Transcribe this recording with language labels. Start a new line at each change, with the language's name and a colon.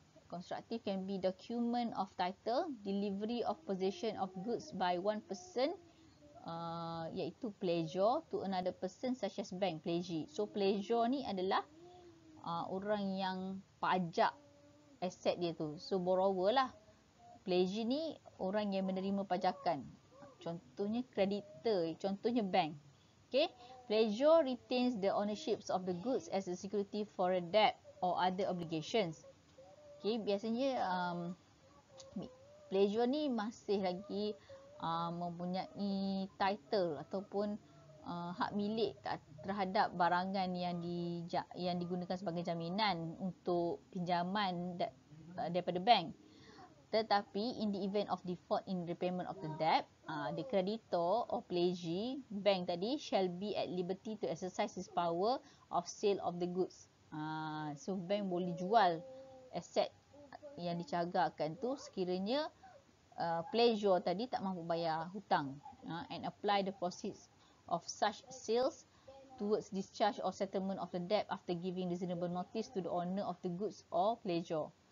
English: Constructive can be document of title, delivery of possession of goods by one person, iaitu pledger, to another person such as bank, pledgee.
Malay: So, pledger ni adalah orang yang pajak aset dia tu. So, borrower lah. Pledgee ni orang yang menerima pajakan. Contohnya, creditor. Contohnya, bank.
English: Okay, pledger retains the ownership of the goods as a security for a debt or other obligations.
Malay: Okay, biasanya pledger ni masih lagi mempunyai title ataupun hak milik terhadap barangan yang digunakan sebagai jaminan untuk pinjaman daripada bank.
English: Tetapi, in the event of default in repayment of the debt, the creditor or pledgee, bank tadi, shall be at liberty to exercise his power of sale of the goods.
Malay: So, bank boleh jual aset yang dicagarkan tu sekiranya pledgee tadi tak mampu bayar hutang,
English: and apply the proceeds of such sales towards discharge or settlement of the debt after giving reasonable notice to the owner of the goods or pledgee.